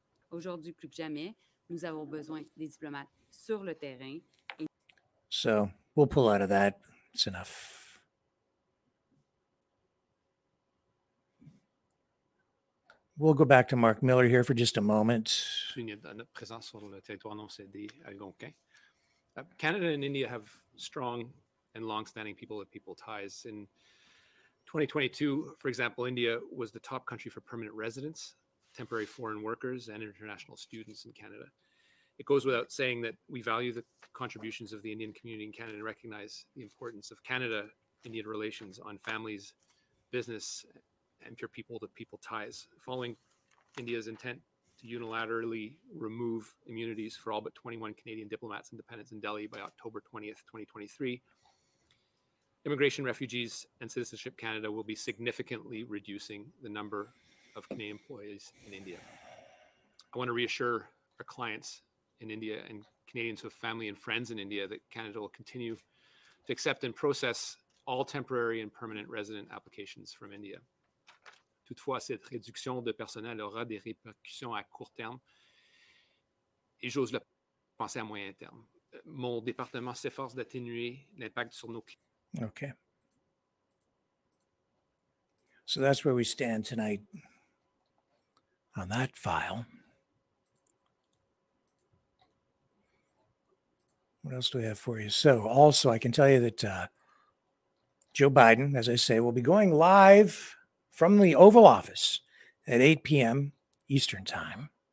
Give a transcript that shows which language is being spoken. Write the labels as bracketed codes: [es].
[fr] Aujourd'hui plus que jamais, nous avons besoin des diplomates sur le terrain. Et... [en] So, we'll pull out of that. It's enough. We'll go back to Mark Miller here for just a moment. [fr] Notre présence sur le territoire non cédé algonquin. [en] Canada and India have strong and long-standing people-to-people ties in 2022, for example, India was the top country for permanent residents, temporary foreign workers, and international students in Canada. It goes without saying that we value the contributions of the Indian community in Canada and recognize the importance of Canada-Indian relations on families, business, and pure people-to-people ties. Following India's intent to unilaterally remove immunities for all but 21 Canadian diplomats and dependents in Delhi by October 20th, 2023, Immigration, Refugees, and Citizenship Canada will be significantly reducing the number of Canadian employees in India. I want to reassure our clients in India and Canadians who have family and friends in India that Canada will continue to accept and process all temporary and permanent resident applications from India. [fr] Toutefois, cette réduction de personnel aura des répercussions à court terme et j'ose le penser à moyen terme. Mon département s'efforce d'atténuer l'impact sur nos clients. [en] Okay. So that's where we stand tonight on that file. What else do we have for you? So also, I can tell you that Joe Biden, as I say, will be going live from the Oval Office at 8 p.m. Eastern time.